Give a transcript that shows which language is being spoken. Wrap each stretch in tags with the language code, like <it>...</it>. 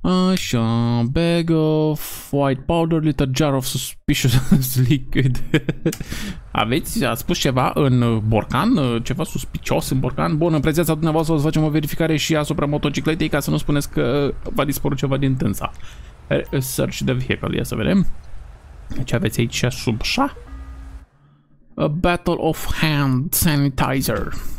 <en>Așa, bag of white powder, little jar of suspicious liquid.</en> <ro>Aveți, a spus ceva în borcan, ceva suspicios în borcan? Bun, în prezența dumneavoastră o să facem o verificare și asupra motocicletei, ca să nu spuneți că va dispăru ceva din tânsa.</ro> <en>Search the vehicle,</en> <ro>ia să vedem. Ce aveți aici sub șa?</ro> <en>A bottle of hand sanitizer.</en>